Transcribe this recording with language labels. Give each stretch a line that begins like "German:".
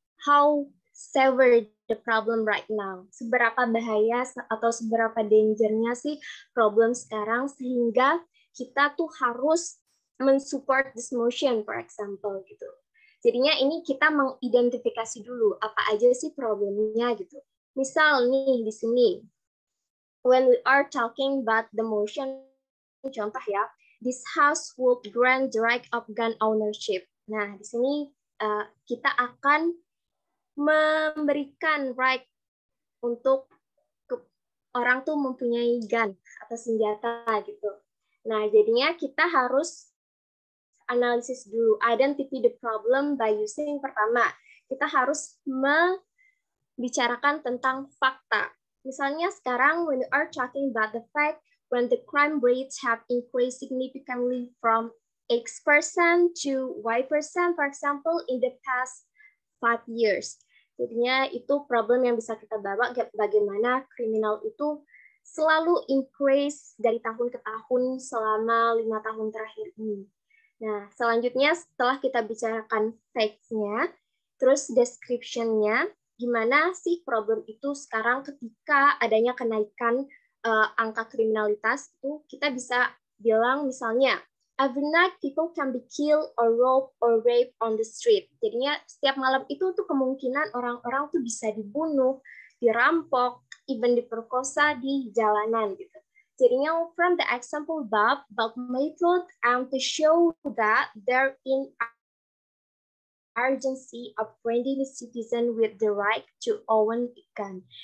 English: How severe the problem right now?
Indonesian: Seberapa bahaya atau seberapa dangernya sih problem sekarang sehingga kita tuh harus mensupport
English: this motion, for example
Indonesian: gitu. Jadinya ini kita mengidentifikasi dulu apa aja sih problemnya gitu. Misal nih di sini,
English: when we are talking about the motion,
Indonesian: contoh ya,
English: this house would grant the right of gun ownership.
Indonesian: Nah, di sini kita akan memberikan right untuk orang tuh mempunyai gun atau senjata gitu. Nah, jadinya kita harus analisis dulu,
English: identify the problem by using,
Indonesian: pertama, kita harus membicarakan tentang fakta. Misalnya sekarang,
English: when you are talking about the fact when the crime rates have increased significantly from X% to Y% for example in the past 5 years.
Indonesian: Jadinya itu problem yang bisa kita bawa, bagaimana kriminal itu selalu increase dari tahun ke tahun selama 5 tahun terakhir ini. Nah, selanjutnya setelah kita bicarakan facts-nya, terus description-nya, gimana sih problem itu sekarang ketika adanya kenaikan angka kriminalitas itu, kita bisa bilang misalnya
English: every night people can be killed or robbed or raped on the street.
Indonesian: Jadinya setiap malam itu tuh kemungkinan orang-orang tuh bisa dibunuh, dirampok, even diperkosa di jalanan gitu. Jadinya
English: from the example above, but method and to show that there in urgency of granting the citizen with the right to own a gun.